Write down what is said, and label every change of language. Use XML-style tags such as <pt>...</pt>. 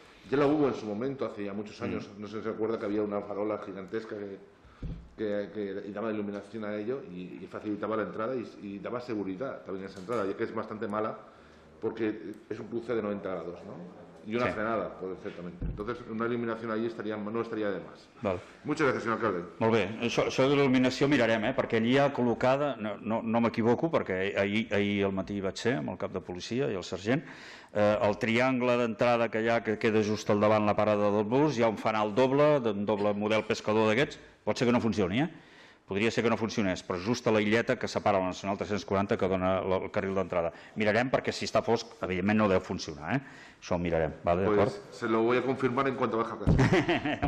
<es>Ya la hubo en su momento, hace ya muchos años, no sé si se acuerda que había una farola gigantesca que daba iluminación a ello y facilitaba la entrada y daba seguridad también a esa entrada, ya que es bastante mala porque es un cruce de 90 grados, ¿no? Y una frenada, perfectamente. Entonces, una iluminación allí no estaría de más.</es> <ca>Val.</ca> <es>Muchas gracias,</es> <ca>senyor alcalde. Molt bé. Això de l'il·luminació mirarem, perquè allí hi ha col·locada, no m'equivoco, perquè ahir al matí vaig ser amb el cap de policia i el sergent, el triangle d'entrada que hi ha, que queda just al davant la parada del bus, hi ha un fanal doble, d'un doble model pescador d'aquests, pot ser que no funcioni, Podria ser que no funcionés, però just a la illeta que separa la Nacional 340 que dona el carril d'entrada. Mirarem, perquè si està fosc, evidentment no deu funcionar, Això ho mirarem, d'acord?</ca> <es>Pues se lo voy a confirmar en cuanto baja casa.</es>